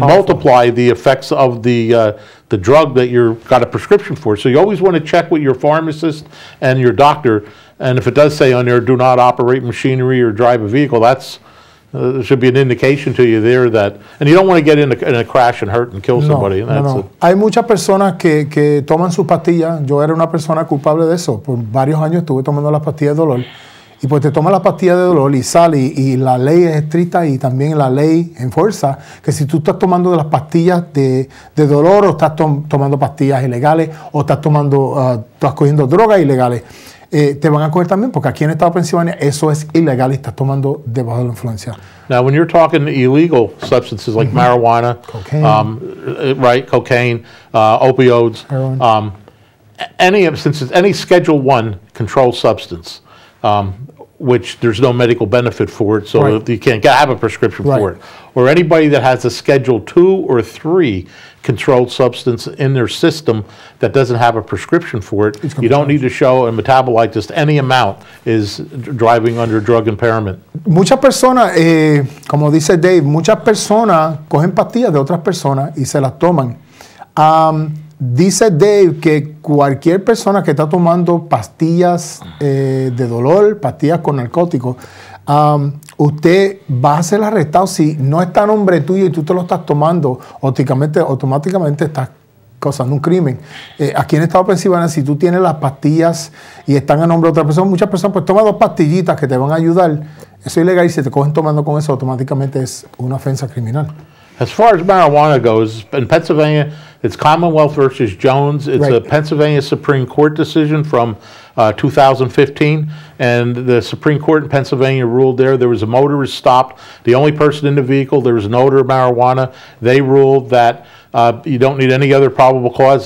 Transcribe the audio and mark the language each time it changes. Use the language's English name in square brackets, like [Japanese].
[English] multiply the effects of the drug that you've got a prescription for. So you always want to check with your pharmacist and your doctor. And if it does say on there, do not operate machinery or drive a vehicle, that's should be an indication to you there that, and you don't want to get in a crash and hurt and kill somebody. [Spanish] No. Hay muchas personas que toman sus pastillas. Yo era una persona culpable de eso. Por varios años estuve tomando las pastillas de dolor. Y pues te toma la pastilla de dolor y sale, y la ley es estricta y también la ley en fuerza, que si tú estás tomando las pastillas de dolor o estás tomando pastillas ilegales o estás tomando, estás cogiendo drogas ilegales, te van a coger también, porque aquí en Estado de Pensilvania eso es ilegal y estás tomando debajo de la influencia. [English] Now, when you're talking illegal substances like marijuana, cocaine, opioids, any Schedule I controlled substance, which there's no medical benefit for it, so you can't have a prescription for it. Or anybody that has a Schedule 2 or 3 controlled substance in their system that doesn't have a prescription for it, you don't need to show a metabolite, just any amount is driving under drug impairment. [Spanish] Muchas personas, como dice Dave, muchas personas cogen pastillas de otras personas y se las toman. Dice Dave que cualquier persona que está tomando pastillas de dolor, pastillas con narcóticos, usted va a ser arrestado si no está a nombre tuyo y tú te lo estás tomando, automáticamente estás causando un crimen. Aquí en Estado de Pensilvania, si tú tienes las pastillas y están a nombre de otra persona, muchas personas pues toman dos pastillitas que te van a ayudar. Eso es ilegal y si te cogen tomando con eso, automáticamente es una ofensa criminal. [English] As far as marijuana goes, in Pennsylvania, it's Commonwealth versus Jones. It's a Pennsylvania Supreme Court decision from 2015, and the Supreme Court in Pennsylvania ruled there was a motorist stopped. The only person in the vehicle, there was an odor of marijuana. They ruled that you don't need any other probable cause.